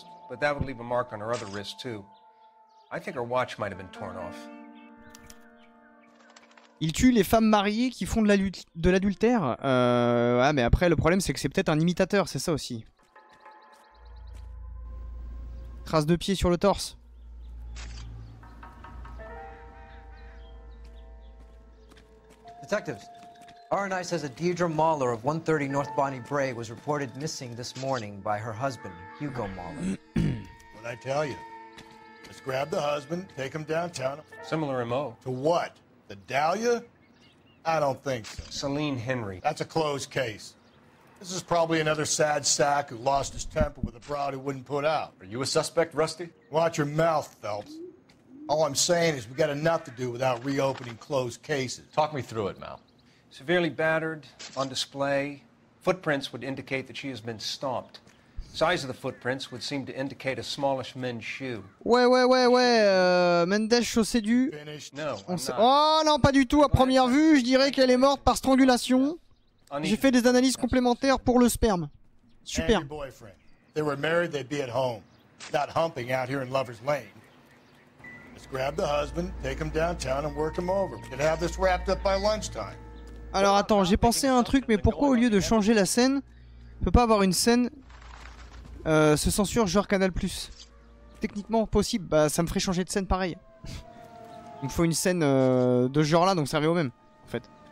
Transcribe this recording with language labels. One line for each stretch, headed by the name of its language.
English: But that would leave a mark on her other wrist too. I think her watch might have been torn off.
French: Il tue les femmes mariées qui font de l'adultère. Ouais, mais après le problème c'est que c'est peut-être un imitateur, c'est ça aussi. Trace de pied sur le torse.
English: Detectives, R&I says that Deirdre Mahler of 130 North Bonnie Bray was reported missing this morning by her husband Hugo Mahler. I tell you, let's grab the husband, take him downtown. Similar MO. To what? The Dahlia? I don't think so. Celine Henry. That's a closed case. This is probably another sad sack who lost his temper with a broad who wouldn't put out. Are you a suspect, Rusty? Watch your mouth, Phelps. All I'm saying is we got enough to do without reopening closed cases. Talk me through it, Mal. Severely battered, on display. Footprints would indicate that she has been stomped. Size of the footprints would seem to indicate a smallish men's shoe.
French: Ouais, Mendes chaussée du...
English: No,
French: sait... Oh non, pas du tout, à première vue, je dirais qu'elle est morte par strangulation. J'ai fait des analyses complémentaires pour le sperme. Super.
English: And your boyfriend. They were married, they'd be at home. Not humping out here in Lover's Lane. Let's grab the husband, take him downtown and work him over. We could have this wrapped up by lunchtime.
French: Alors attends, j'ai pensé à un truc, mais pourquoi au lieu de changer la scène, on peut pas avoir une scène... se censure genre Canal+. Techniquement possible, bah ça me ferait changer de scène pareil. Il me faut une scène de ce genre là, donc ça revient au même en fait.